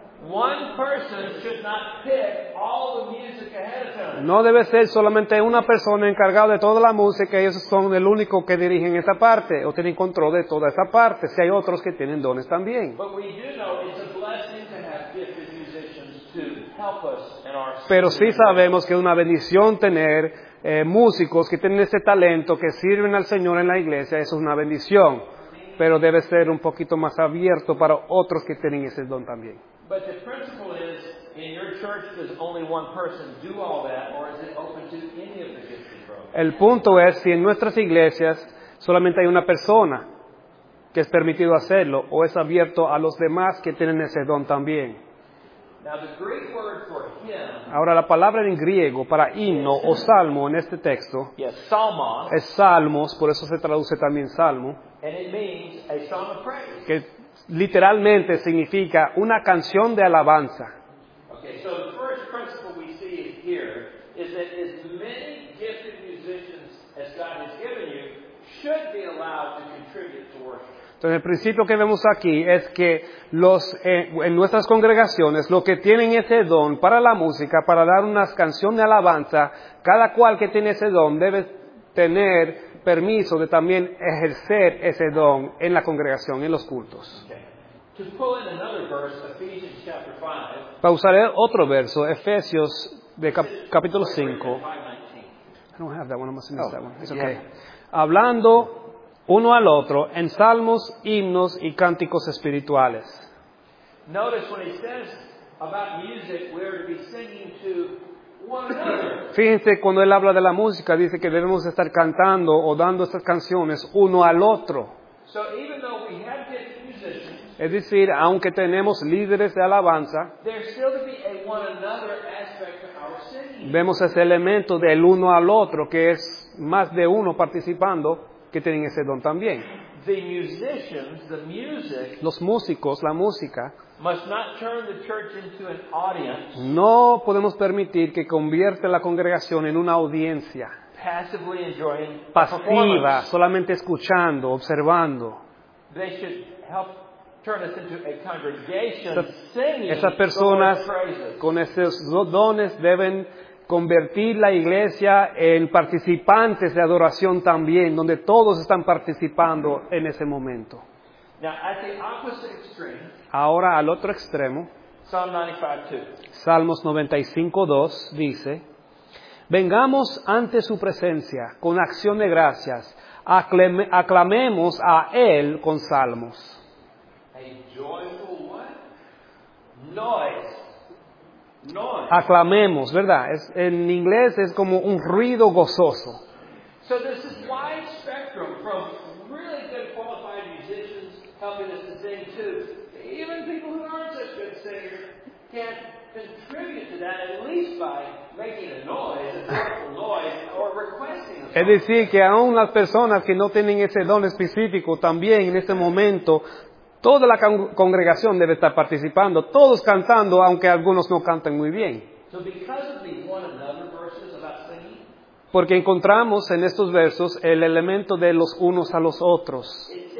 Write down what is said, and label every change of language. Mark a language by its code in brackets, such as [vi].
[en] One person should not pick all the music ahead of time. [es] No debe ser solamente una persona encargada de toda la música, ellos son el único que dirigen esta parte o tienen control de toda esta parte, si hay otros que tienen dones también. [en] But we do know it's a blessing to have gifted musicians to help us in our. [es] Pero sí sabemos que es una bendición tener músicos que tienen ese talento, que sirven al Señor en la iglesia, eso es una bendición. Pero debe ser un poquito más abierto para otros que tienen ese don también. [en] But the principle is, in your church, does only one person do all that, or is it open to any of the gifted programs? [es] El punto es, si en nuestras iglesias solamente hay una persona que es permitido hacerlo, o es abierto a los demás que tienen ese don también. [en] Now the Greek word for hymn. [es] Ahora la palabra en griego para himno o salmo en este texto. [en] Yes, psalmos. [es] Es salmos, por eso se traduce también salmo. [en] And it means a song of praise. [es] Que literalmente significa una canción de alabanza. [en] Okay, so the first principle we see here is that as many gifted musicians as God has given you should be allowed to contribute to worship. [es] Entonces, el principio que vemos aquí es que los en nuestras congregaciones, los que tienen ese don para la música, para dar unas canciones de alabanza, cada cual que tiene ese don debe tener permiso de también ejercer ese don en la congregación, en los cultos. [en] Okay. To pull in another verse, Ephesians chapter 5, [es] para usar otro verso, Efesios de capítulo 5. [en] I don't have that one, I must have missed that one. It's okay. Yeah. [es] Hablando uno al otro en salmos, himnos y cánticos espirituales. [en] Notice when he says about music, we are to be singing to one another. [es] Fíjense cuando él habla de la música, dice que debemos estar cantando o dando estas canciones uno al otro. [en] So even though we have gifted musicians, [es] es decir, aunque tenemos líderes de alabanza, [en] there's still to be a one another aspect of our singing. [es] Vemos ese elemento del uno al otro, que es más de uno participando, que tienen ese don también. [en] The musicians, the music, [es] los músicos, la música, [en] must not turn the church into an audience. [es] No podemos permitir que convierta la congregación en una audiencia [en] passively enjoying the [es] pasiva, solamente escuchando, observando. [en] They should help turn us into a congregation. [es] Esas personas con esos dones deben convertir la iglesia en participantes de adoración también, donde todos están participando en ese momento. [en] Now, at the opposite extreme, [es] ahora al otro extremo, [en] Psalm [es] 95:2 dice: vengamos ante su presencia con acción de gracias, aclamemos a él con salmos. [en] A joyful what? Noise. [es] Aclamemos, ¿verdad? Es, en inglés es como un ruido gozoso. [en] So this is wide spectrum from really good qualified musicians helping us to sing too. Even people who aren't such good singers can contribute to that at least by making a noise or requesting a song. [es] Es decir, que aún las personas que no tienen ese don específico también en este momento, toda la congregación debe estar participando, todos cantando, aunque algunos no canten muy bien. [en] So because of the one another verses about singing, [es] porque encontramos en estos versos el elemento de los unos a los otros.